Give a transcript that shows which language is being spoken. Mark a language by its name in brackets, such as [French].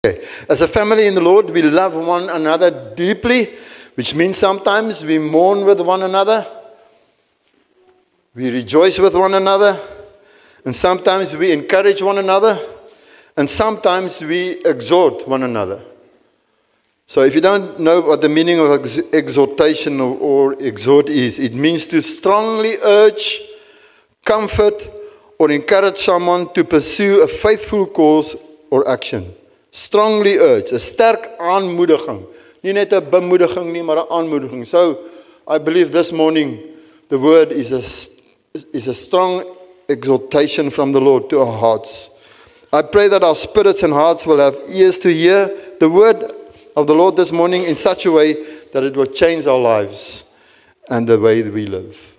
[English] As a family in the Lord, we love one another deeply, which means sometimes we mourn with one another, we rejoice with one another, and sometimes we encourage one another, and sometimes we exhort one another. So if you don't know what the meaning of exhortation or exhort is, it means to strongly urge, comfort, or encourage someone to pursue a faithful cause or action. Strongly urge, [Afrikaans] a sterk aanmoediging. Nie net 'n bemoediging nie, maar 'n aanmoediging. [English] So I believe this morning the word is a strong exhortation from the Lord to our hearts. I pray that our spirits and hearts will have ears to hear the word of the Lord this morning in such a way that it will change our lives and the way that we live.